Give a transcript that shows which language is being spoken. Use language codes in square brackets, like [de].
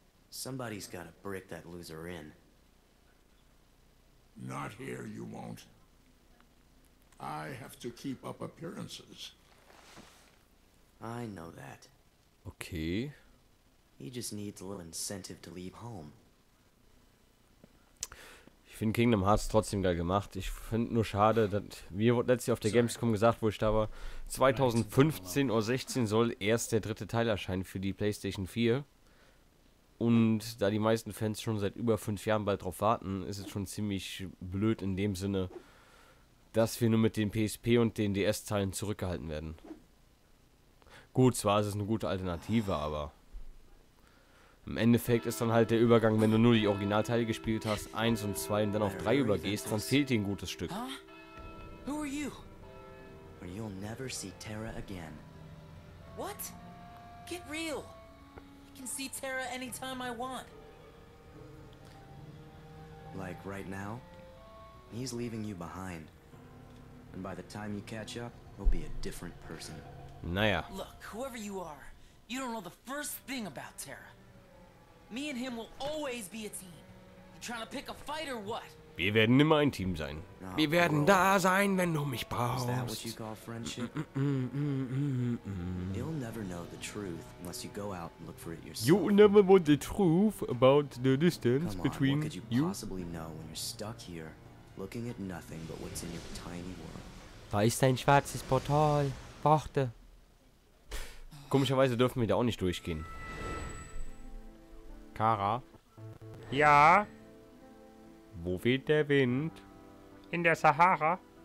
[en] Somebody's gotta brick that loser in. Not here, you won't. I have to keep up appearances. I know that. Okay. He just needs a little incentive to leave home. [de] Ich finde Kingdom Hearts trotzdem geil gemacht. Ich finde nur schade, dass mir wurde letztlich auf der Gamescom gesagt, wo ich da war, 2015 oder 16 soll erst der dritte Teil erscheinen für die PlayStation 4. Und da die meisten Fans schon seit über 5 Jahren bald drauf warten, ist es schon ziemlich blöd in dem Sinne, dass wir nur mit den PSP und den DS-Teilen zurückgehalten werden. Gut, zwar ist es eine gute Alternative, aber im Endeffekt ist dann halt der Übergang, wenn du nur die Originalteile gespielt hast, 1 und 2 und dann auf 3 übergehst, dann fehlt dir ein gutes Stück. [en] Huh? Who are you? Or you'll never see Terra again. What? Get real. I can see Terra anytime I want. Like right now? He's leaving you behind. And by the time you catch up, he'll be a different person. [de] Naja. [en] Look, whoever you are, you don't know the first thing about Terra. Me and him will always be a team. You trying to pick a fight or what? [de] Wir werden immer ein Team sein. Wir werden da sein, wenn du mich brauchst. [en] Is that what you call friendship? You'll never know the truth unless you go out and look for it yourself. You'll never know the truth about the distance between you. Come on, what could you possibly know when you're stuck here, looking at nothing but what's in your tiny world? [de] Da ist ein schwarzes Portal. Warte. Komischerweise dürfen wir da auch nicht durchgehen. Kara? Ja? Wo weht der Wind? In der Sahara.